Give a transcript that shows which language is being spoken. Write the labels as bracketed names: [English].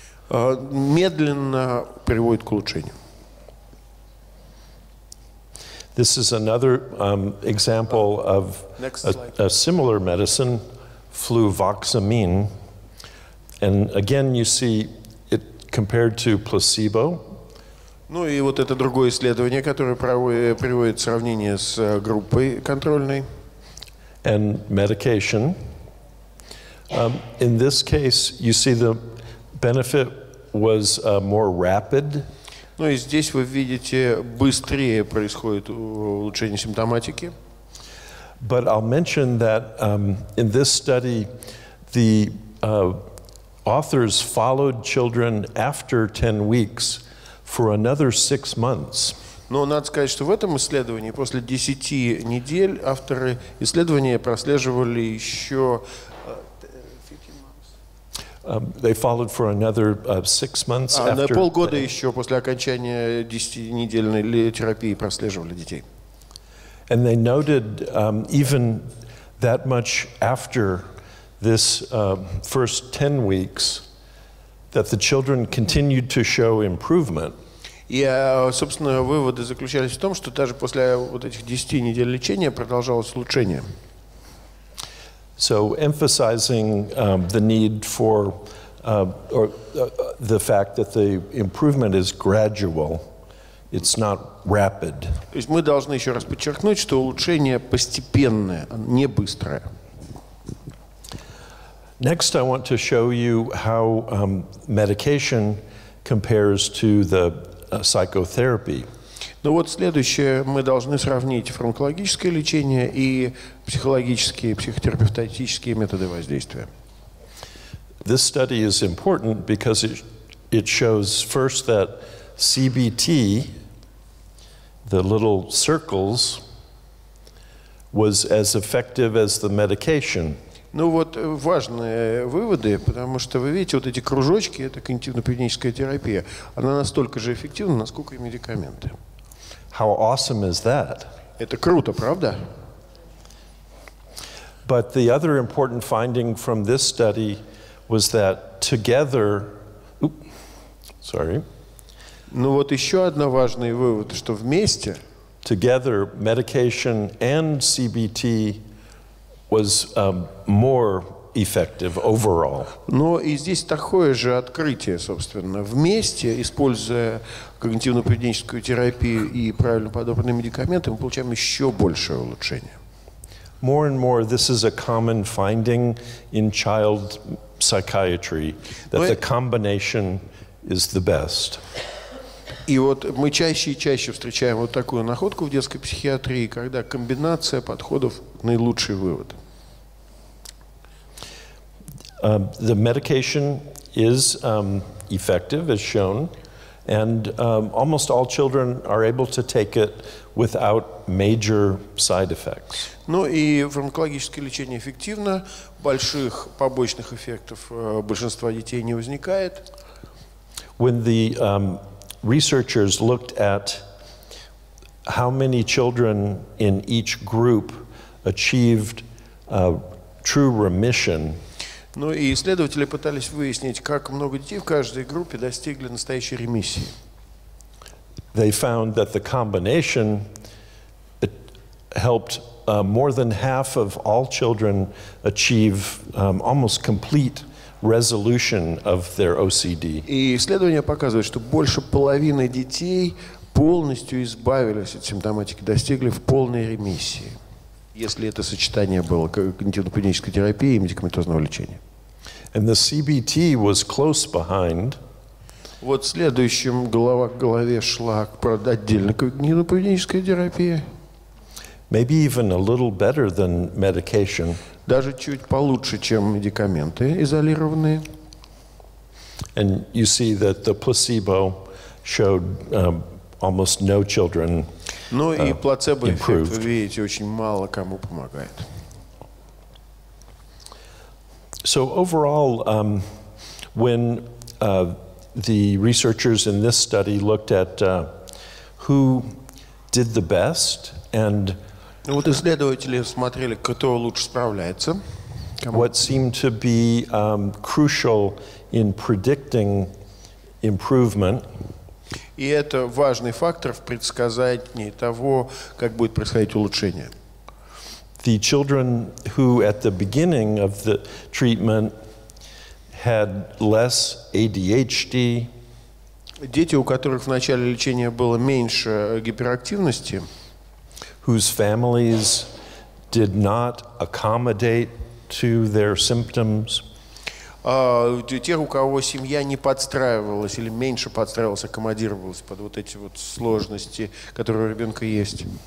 [Russian] Медленно приводит к улучшению. [English] This is another example of a similar medicine, fluvoxamine. And again, you see it compared to placebo. [Russian] Ну и вот это другое исследование, которое приводит сравнение с группой контрольной. [English] And medication. In this case, you see the benefit was more rapid. [Russian] Ну и здесь вы видите, быстрее происходит улучшение симптоматики. [English] But I'll mention that in this study, the authors followed children after 10 weeks for another 6 months. [Russian] Но надо сказать, что в этом исследовании после 10 недель авторы исследования прослеживали еще 15 [English] They followed for another 6 months after... [Russian] На полгода еще после окончания 10-недельной терапии прослеживали детей. [English] And they noted even that much after this first 10 weeks that the children continued to show improvement. [Russian] И, собственно, выводы заключались в том, что даже после вот этих 10 недель лечения продолжалось улучшение. [English] So, emphasizing the need for the fact that the improvement is gradual, it's not rapid. [Russian] То есть мы должны еще раз подчеркнуть, что улучшение постепенное, не быстрое. [English] Next, I want to show you how medication compares to the psychotherapy. [Russian] Ну вот следующее, мы должны сравнить фармакологическое лечение и психологические, психотерапевтические методы воздействия. [English] This study is important because it shows first that CBT, the little circles, was as effective as the medication. [Russian] Ну вот важные выводы, потому что вы видите, вот эти кружочки, это когнитивно-поведенческая терапия, она настолько же эффективна, насколько и медикаменты. [English] How awesome is that? [Russian] Это круто, правда? [English] But the other important finding from this study was that together, [Russian] Ну вот еще одна важный вывод, что вместе. [English] Together, medication and CBT was more effective overall. [Russian] Но и здесь такое же открытие, собственно, вместе, используя когнитивно-поведенческую терапию и правильно подобранные медикаменты, мы получаем еще большее улучшение. [English] More and more, this is a common finding in child psychiatry, that the combination is the best. [Russian] И вот мы чаще и чаще встречаем вот такую находку в детской психиатрии, когда комбинация подходов – наилучший вывод. [English] The medication is effective, as shown, and almost all children are able to take it without major side effects. [Russian] Ну и фармакологическое лечение эффективно, больших побочных эффектов большинства детей не возникает. [English] When the researchers looked at how many children in each group achieved true remission. [Russian] Ну и исследователи пытались выяснить, как много детей в каждой группе достигли настоящей ремиссии. [English] They found that the combination helped more than half of all children achieve almost complete resolution of their OCD. [Russian] И исследования показывают, что больше половины детей полностью избавились от симптоматики, достигли в полной ремиссии, если это сочетание было когнитивно-поведенческой терапии и медикаментозного лечения. [English] And the CBT was close behind. [Russian] Вот следующим голова к голове шла отдельно когнитивно-поведенческая терапия. [English] Maybe even a little better than medication. [Russian] Даже чуть получше, чем медикаменты изолированные. [English] And you see that the placebo showed almost no children [Russian] Ну и плацебо эффект, вы видите, очень мало кому помогает. [English] So overall, when the researchers in this study looked at who did the best and [Russian] Ну вот исследователи смотрели, кто лучше справляется. [English] What seemed to be crucial in predicting improvement. [Russian] И это важный фактор в предсказании того, как будет происходить улучшение. [English] The children who at the beginning of the treatment had less ADHD. [Russian] Дети, у которых в начале лечения было меньше гиперактивности. [English] Whose families did not accommodate to their symptoms. [Russian] Тех, у кого семья не подстраивалась или меньше подстраивалась, аккомодировалась под вот эти вот сложности, которые у ребенка есть.